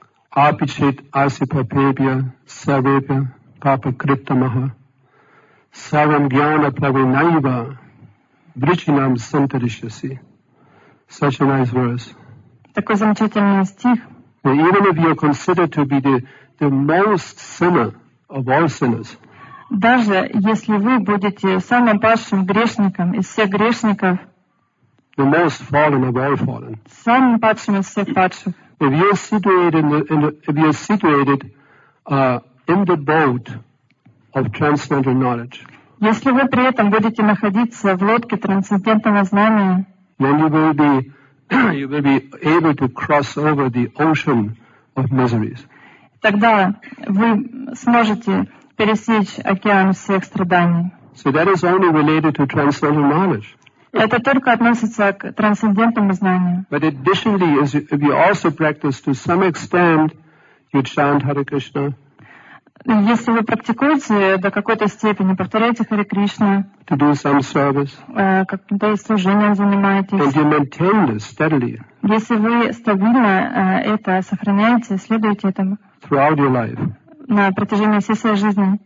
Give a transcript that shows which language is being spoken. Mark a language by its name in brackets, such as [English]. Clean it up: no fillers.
[Sanskrit] Апичит асипапебья савепья папа криптамаха. Саван гьяна плаве наива бричинам сантаришаси. [English] Such a nice verse. [Russian] Такой замечательный стих. [English] Even if you are considered to be the most sinner of all sinners. [Russian] Даже если вы будете самым падшим грешником из всех грешников. [English] The most fallen of all fallen. [Russian] Самым падшим из всех падших. [English] If you are situated in the boat of transcendental knowledge. [Russian] Если вы при этом будете находиться в лодке трансцендентного знания, [English] then you will be able to cross over the ocean of miseries. [Russian] Тогда вы сможете пересечь океан всех страданий. [English] So that is only related to transcendental knowledge. [Russian] Это только относится к трансцендентному знанию. [English] But additionally, if you also practice to some extent, you chant Hare Krishna. [Russian] Если вы практикуете до какой-то степени, повторяете Харе Кришна, [English] to do some service, [Russian] каким-то служением занимаетесь, [English] and you maintain this steadily, [Russian] если вы стабильно это сохраняете, следуете этому [English] throughout your life, [Russian] на протяжении всей своей жизни,